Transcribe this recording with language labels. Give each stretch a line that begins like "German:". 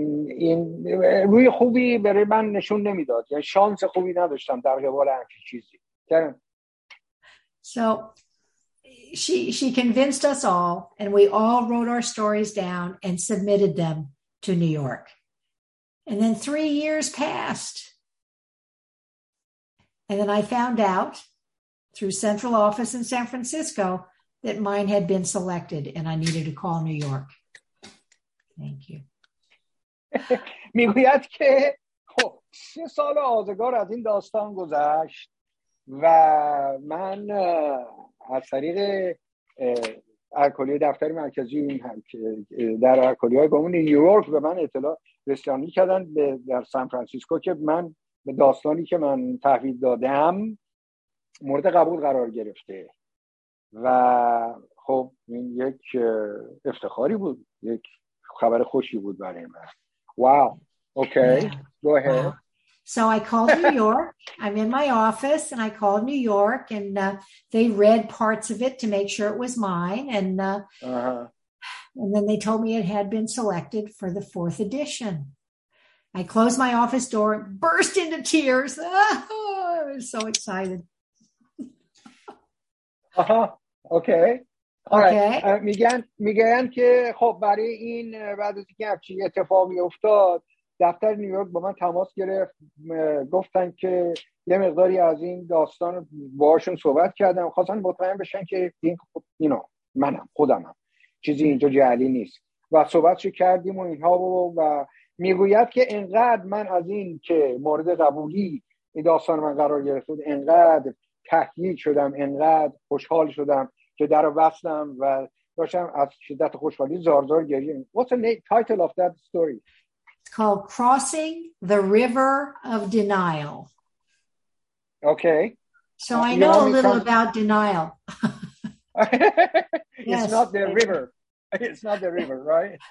Persian: این روی خوبی برای من نشون نمیداد، یعنی شانس خوبی نداشتم در قبال همچین چیزی. کردن؟
English: So she convinced us all and we all wrote our stories down and submitted them to New York. And then 3 years passed. And then I found out through central office in San Francisco that mine had been selected and I needed to call New York. Thank you.
Persian: میگوید که خب 3 سال آزگار از این داستان گذشت و من از طریق الکلی دفتر مرکزی این هم که در الکلی های گمون نیویورک به من اطلاع رسانی کردن در سان فرانسیسکو که من به داستانی که من تحویل دادم مورد قبول قرار گرفته و خب این یک افتخاری بود، یک خبر خوشی بود برای من.
English: Wow. Okay. Go ahead. So I called New York. I'm in my office and I called New York and they read parts of it to make sure it was mine and and then they told me it had been selected for the fourth edition. I closed my office door, burst into tears. Oh, I was so excited. Uh-huh. Okay. All right.
Persian: میگن که خب برای این بعد از اینکه چه اتفاقی افتاد دفتر نیویورک با من تماس گرفت، گفتن که یه مقداری از این داستان باهاشون صحبت کردم، خواستن مطمئن بشن که این خود اینا منم خودمم، چیزی اینجا جعلی نیست، و صحبتش کردیم و اینها و میگوید که انقدر من از این که مورد قبولی این داستان من قرار گرفت انقدر تحییر شدم، انقدر خوشحال شدم که در وصلم و داشتم از شدت خوشحالی زارزار گریه.
English: What's the title of that story? It's called Crossing the River of Denial. Okay. So I know a little about denial. It's yes. not the river. It's not the river, right?